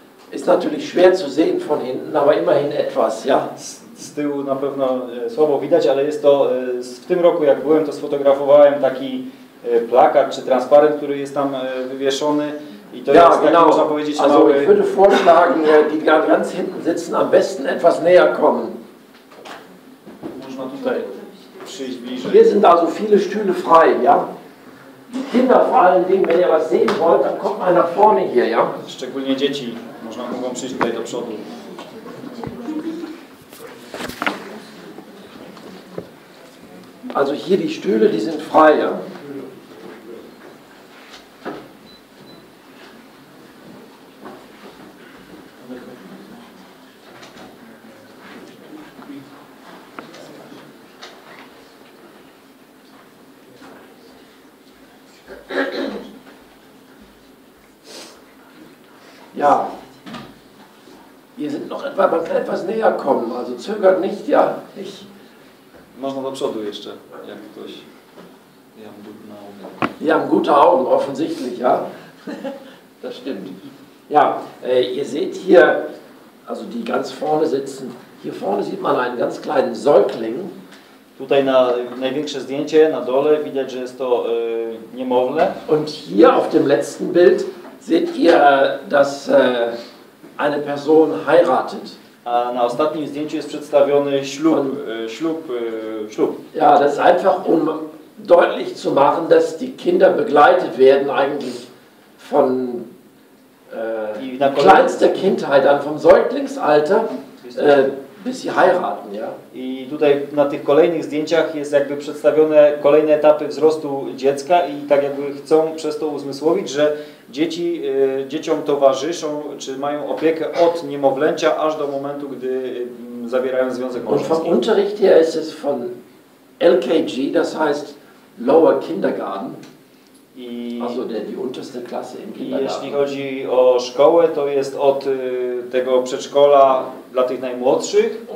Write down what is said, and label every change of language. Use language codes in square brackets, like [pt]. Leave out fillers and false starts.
[de] Ist natürlich schwer zu sehen von hinten, aber immerhin etwas, ja. [pl] Z tyłu na pewno słabo widać, ale jest to, w tym roku jak byłem, to sfotografowałem taki plakat czy transparent, który jest tam wywieszony i to ja, jest taki, [de] genau. [pl] Można powiedzieć, also mały... [de] ich würde vorschlagen, die da ganz hinten sitzen, am besten etwas näher kommen. [pl] Można tutaj przyjść bliżej. [de] Hier sind also viele Stühle frei, ja. Kinder vor allen Dingen, wenn ihr was sehen wollt, dann kommt mal nach vorne hier, ja? [pl] Szczególnie dzieci można mogą przyjść tutaj do przodu. [de] Also hier die Stühle, die sind frei, ja? Ja, wir sind noch etwas näher kommen, also zögert nicht, ja, ich [pl] Można do przodu jeszcze, jak ktoś. Ja mam [de] gute Augen. [pl] Ja mam [de] gute Augen, offensichtlich, ja. Das stimmt. Ja, ihr seht hier, also die ganz vorne sitzen. Hier vorne sieht man einen ganz kleinen Säugling. [pl] Tutaj na największe zdjęcie na dole widać, że jest to niemowlę. [de] Und hier auf dem letzten Bild seht ihr, dass eine Person heiratet. [pl] A na ostatnim zdjęciu jest przedstawiony ślub. [de] Und, ślub. Ja, das ist einfach, um deutlich zu machen, dass die Kinder begleitet werden eigentlich von kleinster Kindheit an, vom Säuglingsalter. Bis sie heiraten, ja. [pl] I tutaj na tych kolejnych zdjęciach jest jakby przedstawione kolejne etapy wzrostu dziecka i tak jakby chcą przez to uzmysłowić, że dzieci dzieciom towarzyszą, czy mają opiekę od niemowlęcia aż do momentu, gdy zawierają związek małżeński. [de] Und vom Unterricht her ist es von LKG, das heißt Lower Kindergarten. I, also die unterste Klasse im Kindergarten. [pl] I jeśli chodzi o szkołę, to jest od tego przedszkola dla tych najmłodszych.